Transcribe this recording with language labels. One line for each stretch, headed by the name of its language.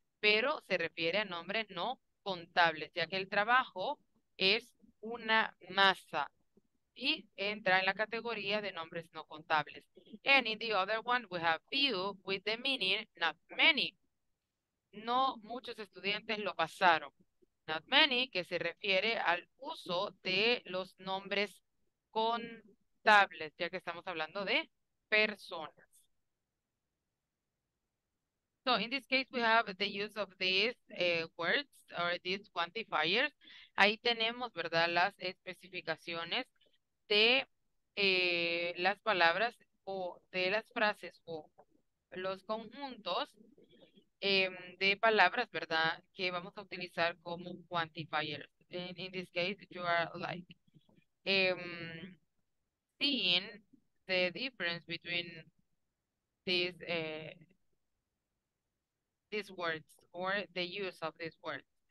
Spanish: Pero se refiere a nombres no contables, ya que el trabajo es una masa. Y entra en la categoría de nombres no contables.
English: And in the other one, we have few with the meaning not many.
Spanish: No muchos estudiantes lo pasaron. Not many, que se refiere al uso de los nombres contables, ya que estamos hablando de personas.
English: So in this case, we have the use of these words or these quantifiers.
Spanish: Ahí tenemos, ¿verdad?, las especificaciones de las palabras o de las frases o los conjuntos de palabras, ¿verdad?, que vamos a utilizar como quantifiers.
English: In this case, you are like seeing the difference between these words or the use of these words.